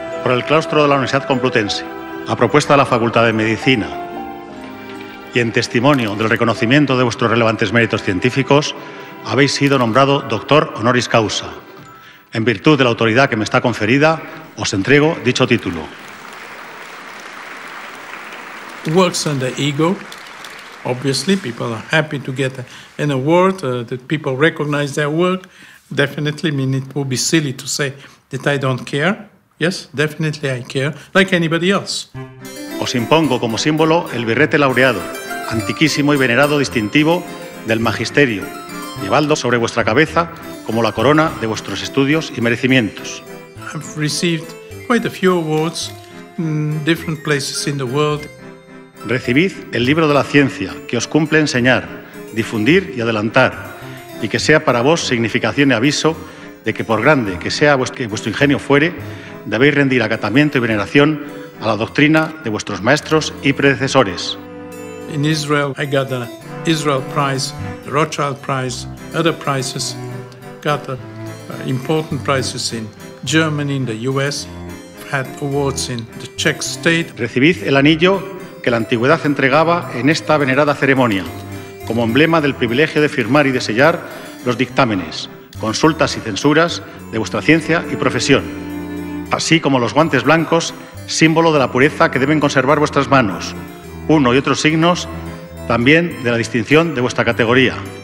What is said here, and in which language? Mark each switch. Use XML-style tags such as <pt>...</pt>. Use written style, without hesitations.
<es>al claustro de la Universidad Complutense, a propuesta de la Facultad de Medicina, y en testimonio del reconocimiento de vuestros relevantes méritos científicos, habéis sido nombrado doctor honoris causa. En virtud de la autoridad que me está conferida, os entrego dicho título.</es> <en>Works on the ego. Obviously, people are happy to get an award, that people recognize their work. Definitely, I mean, it would be silly to say that I don't care. Yes, definitely I care, like anybody else.</en> <es>Os impongo como símbolo el birrete laureado, antiquísimo y venerado distintivo del magisterio, llevadlo sobre vuestra cabeza como la corona de vuestros estudios y merecimientos.</es> <en>I've received quite a few awards in different places in the world.</en> <es>Recibid el libro de la ciencia que os cumple enseñar, difundir y adelantar, y que sea para vos significación y aviso de que por grande que sea vuestro ingenio fuere, debéis rendir acatamiento y veneración a la doctrina de vuestros maestros y predecesores.</es> <en>In Israel, I got the Israel Prize, the Rothschild Prize, other prizes, got the important prizes in Germany, in the US, had awards in the Czech state.</en> <es>Recibid el anillo que la antigüedad entregaba en esta venerada ceremonia, como emblema del privilegio de firmar y de sellar los dictámenes, consultas y censuras de vuestra ciencia y profesión, así como los guantes blancos, símbolo de la pureza que deben conservar vuestras manos, uno y otros signos también de la distinción de vuestra categoría.</es>